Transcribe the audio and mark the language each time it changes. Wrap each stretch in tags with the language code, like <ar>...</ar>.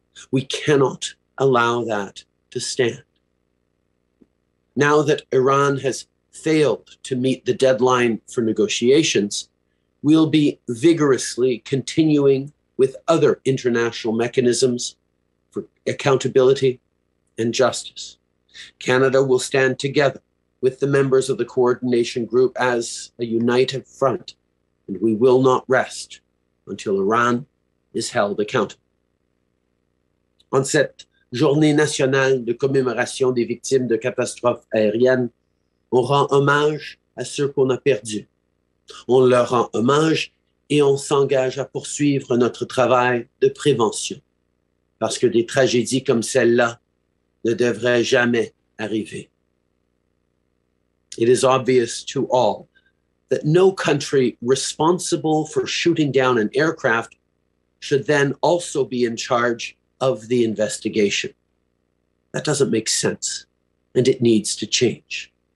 <en>We cannot allow that to stand. Now that Iran has failed to meet the deadline for negotiations, we'll be vigorously continuing with other international mechanisms for accountability and justice. Canada will stand together with the members of the coordination group as a united front, and we will not rest until Iran is held accountable.</en> <fr>En cette journée nationale de commémoration des victimes de catastrophes aériennes, on rend hommage à ceux qu'on a perdus. On leur rend hommage et on s'engage à poursuivre notre travail de prévention, parce que des tragédies comme celle-là ne devraient jamais arriver.</fr> <en>It is obvious to all that no country responsible for shooting down an aircraft should then also be in charge of the investigation. That doesn't make sense, and it needs to change.</en>